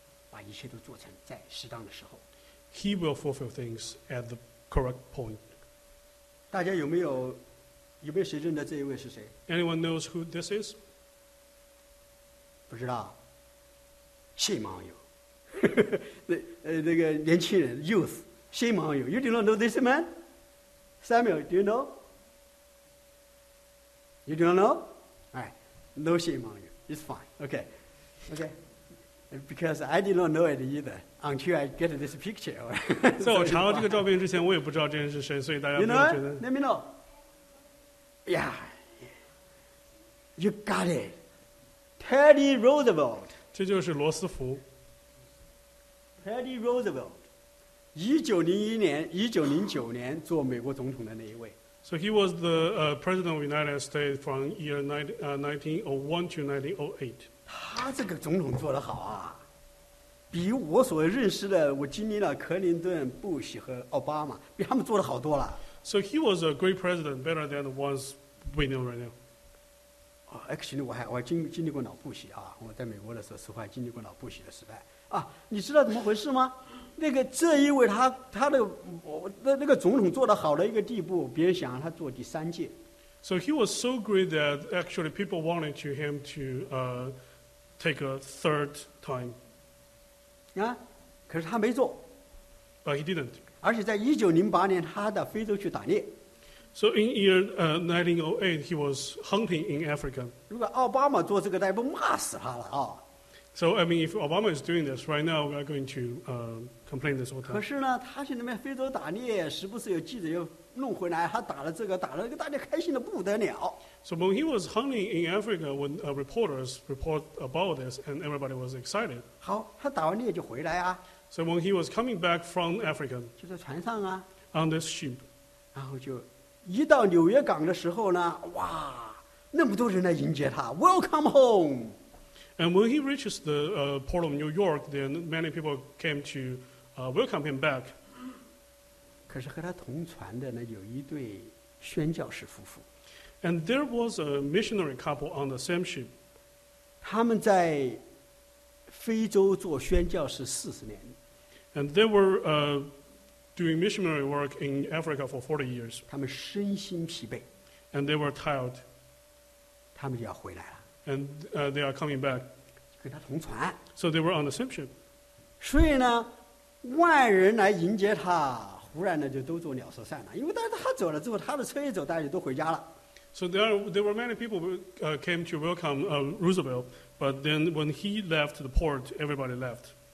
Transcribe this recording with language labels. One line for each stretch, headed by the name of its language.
Chinese: 把一切都做成在适当的时候。
English: He will fulfill things at the correct point.
Chinese: 大家有没有有没有谁认得这一位是谁
English: ？Anyone knows who this is？
Chinese: 不知道，新盲友，那个年轻人
English: ，youth，
Chinese: 新盲友
English: ，You do not know this man？ Samuel， do you know？ You do not know？ All right， no
Chinese: 新盲友
English: ，It's fine， OK， OK。 Because I did not know it either until I get this picture.
Chinese: 在我查到这个照片之前，我也不知道这人是谁，所以大家不要觉得。
English: Let me know. Yeah, you got it. Teddy Roosevelt.
Chinese: 这就是罗斯福。 Teddy Roosevelt, 1909年做美国总统的那一位。
English: So he was the president of the United States from year 1901 to 1908.
Chinese: 他这个总统做得好啊，比我所认识的我经历了克林顿、布什和奥巴马，比他们做得好多了。
English: So he was a great president, better than the ones we know right now.
Chinese: Actually, 我经历过老布什啊，我在美国的时候，实话经历过老布什的时代啊。你知道怎么回事吗？那个这一位他的我的那个总统做得好的一个地步，别人想他做第三届。
English: So he was so great that actually people wanted to him to take a third time.
Chinese: 啊，可是他没做。
English: But he didn't.
Chinese: 而且在1908年，他到非洲去打猎。
English: So in year 1908, he was hunting in Africa.
Chinese: 如果奥巴马做这个，大家不骂死他了啊
English: ？So I mean, if Obama is doing this right now, we are going to complain this all time.
Chinese: 可是呢，他去那边非洲打猎，时不时有记者又。弄回来，他打了这个，打了那个，大家开心的不得了。
English: So when he was hunting in Africa, when reporters report about this, and everybody was excited.
Chinese: 好，他打完猎就回来啊。
English: So when he was coming back from Africa,
Chinese: 就在船上啊。
English: On this ship.
Chinese: 然后就一到纽约港的时候呢，哇，那么多人来迎接他 ，
English: Welcome home. And when he reaches the port of New York, then many people came to welcome him back.
Chinese: 可是和他同船的呢，有一对宣教士夫妇。
English: And there was a missionary couple on the same ship.
Chinese: 他们在非洲做宣教士40年。
English: And they were doing missionary work in Africa for 40 years.
Chinese: 他们身心疲惫。
English: And they were tired.
Chinese: 他们就要回来了。
English: And they are coming back.
Chinese: 跟他同船。
English: So they were on the same ship.
Chinese: 所以呢，万人来迎接他。不然呢，就都做鸟兽散了。因为当他走了之后，他的车一走，大家就都回家了。
English: So there were many people came to welcome Roosevelt, but then when he left the port, everybody left.